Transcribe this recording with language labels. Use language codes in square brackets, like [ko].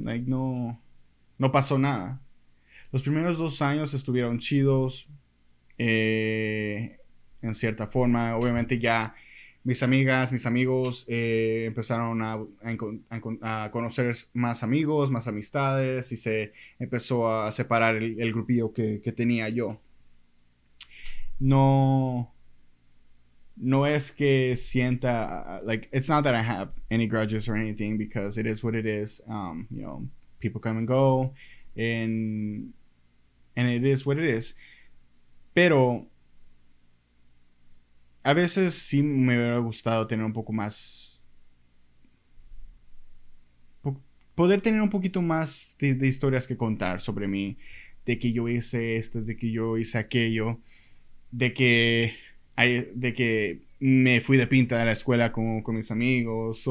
[es] Like, no pasó nada. Los primeros 2 años estuvieron chidos, en cierta forma. Obviamente ya mis amigas, mis amigos, empezaron a conocer más amigos, más amistades. Y se empezó a separar el grupillo que tenía yo. No es que sienta, [en] like, it's not that I have any grudges or anything, because it is what it is. You know, people come and go, and it is what it is. [es] Pero a veces sí me hubiera gustado tener un poco más, poder tener un poquito más de historias que contar sobre mí, de que yo hice esto, de que yo hice aquello, de que me fui de pinta de la escuela con mis amigos.